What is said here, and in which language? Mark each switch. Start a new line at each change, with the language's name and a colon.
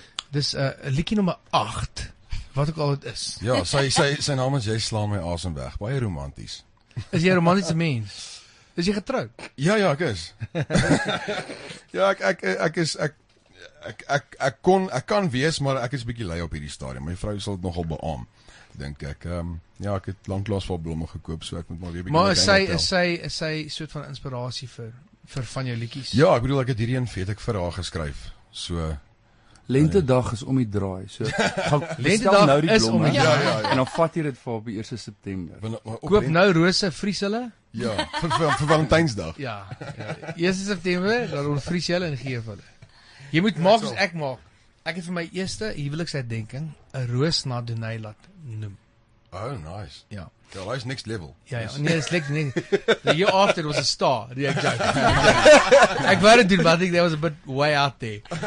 Afrikaans: Dis liedjie nummer 8, wat ook al het is. Ja, sy naam is Jy Sla My Asem Weg, baie romanties. Is jy romantiese mens? Is jy getroud? Ja, ek is. ek kan wees, maar ek is bietjie lui op hierdie stadium. My vrou sal dit nogal beaam, dink ek. Ek het lanklaas vir blomme gekoop, so ek moet maar weer bietjie. Maar is sy soort van inspirasie vir van jou liedjies? Ja, ek bedoel ek het hierdie een vet ek vir haar geskryf. So Lentedag is om die draai, so Lentedag nou is om die draai, ja. En dan vat jy dit voor op die 1 September. Koop nou rose, vries hulle? Ja, vir Valentijnsdag. Ja, 1 September, dan ontvries hulle en geef hulle. Jy moet maak soos ek maak. Ek het vir my eerste huweliksherdenking, 'n roos na Donay laat noem.
English: Oh, nice.
Afrikaans: Ja. Ja, hy is
English: next level.
Afrikaans: Ja, nee, is
English: next level. The year after was a star,
Afrikaans: die ek
English: joke.
Afrikaans: Ek wou dit doen,
English: but I think that was a bit way out there.